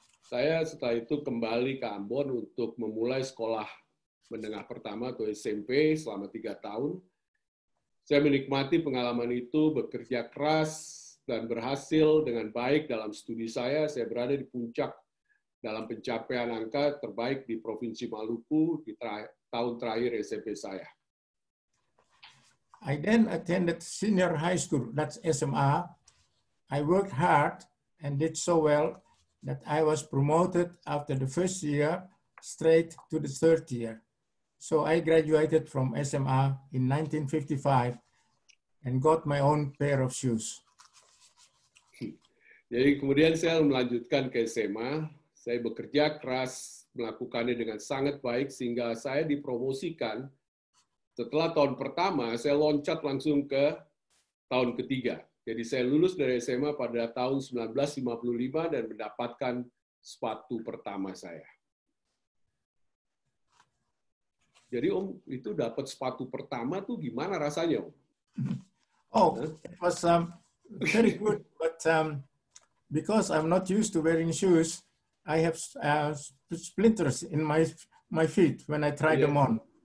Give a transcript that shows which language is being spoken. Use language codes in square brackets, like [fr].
[id] Saya setelah itu kembali ke Ambon untuk memulai sekolah menengah pertama atau SMP selama 3 tahun. Saya menikmati pengalaman itu, bekerja keras dan berhasil dengan baik dalam studi saya. Saya berada di puncak dalam pencapaian angka terbaik di Provinsi Maluku di tahun terakhir SMP saya. [en] I then attended senior high school, that's SMA. I worked hard and did so well that I was promoted after the first year straight to the third year. So I graduated from SMA in 1955 and got my own pair of shoes. [id] Jadi kemudian saya melanjutkan ke SMA. Saya bekerja keras, melakukannya dengan sangat baik sehingga saya dipromosikan. Setelah tahun pertama, saya loncat langsung ke tahun ketiga. Jadi saya lulus dari SMA pada tahun 1955 dan mendapatkan sepatu pertama saya. Jadi Om, itu dapat sepatu pertama tuh gimana rasanya, Om? [en] Oh, it was very good, but because I'm not used to wearing shoes, I have splinters in my feet when I try them on.